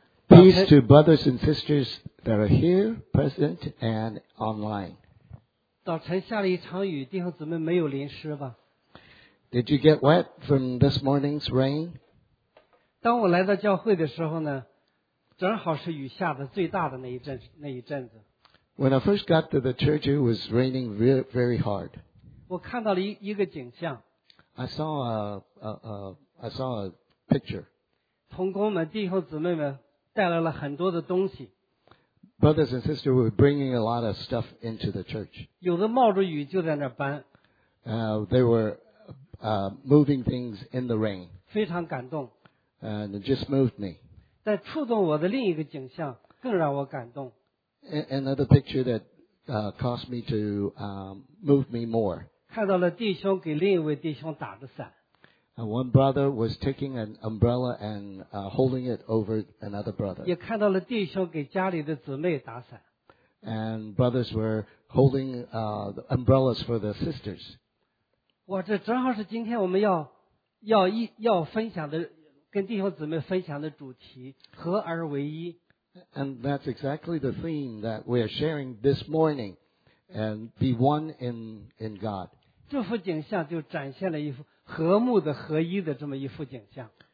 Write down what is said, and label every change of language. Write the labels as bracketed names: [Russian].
[English] Peace to brothers and sisters that are here, present, and online. [Chinese] 早晨下了一场雨，弟兄姊妹没有淋湿吧？ [English] Did you get wet from this morning's rain? [Chinese] 当我来到教会的时候呢，正好是雨下的最大的那一阵子。 [English] When I first got to the church, it was raining very, very hard. [Chinese] 我看到了一个景象。 [English] I saw a picture. [Chinese] 同工们、弟兄姊妹们带来了很多的东西。 [English] Brothers and sisters were bringing a lot of stuff into the church. [Chinese] 有的冒着雨就在那搬。 [English] They were moving things in the rain. [Chinese] 非常感动。 [English] And it just moved me. [Chinese] 但触动我的另一个景象更让我感动。 [English] Another picture that caused me to move me more. [Chinese] 看到了弟兄给另一位弟兄打着伞。 [English] One brother was taking an umbrella and holding it over another brother. [Chinese] 也看到了弟兄给家里的姊妹打伞。 [English] And brothers were holding the umbrellas for their sisters. [Chinese] 哇，这正好是今天我们要分享的，跟弟兄姊妹分享的主题，合而为一。 [English] And that's exactly the theme that we are sharing this morning, and be one in God. [Chinese] 这幅景象就展现了一幅和睦的合一的这么一幅景象。